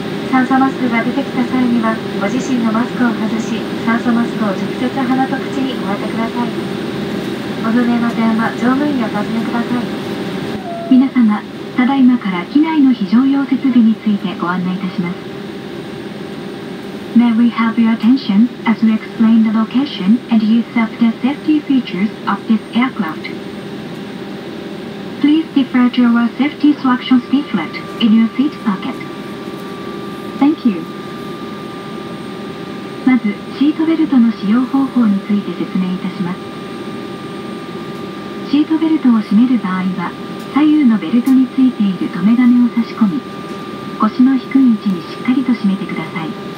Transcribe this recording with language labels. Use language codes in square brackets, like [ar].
[ja] 酸素マスクが出てきた際にはご自身のマスクを外し、酸素マスクを直接鼻と口にお当てください。お不明な点は乗務員にお尋ねください。皆様、ただいまから機内の非常用設備についてご案内いたします。 [en] May we have your attention as we explain the location and use of the safety features of this aircraft. Please refer to your safety instructions leaflet in your seat pocket. Thank you. [ja] まずシートベルトの使用方法について説明いたします。シートベルトを締める場合は左右のベルトについている留め金を差し込み、腰の低い位置にしっかりと締めてください。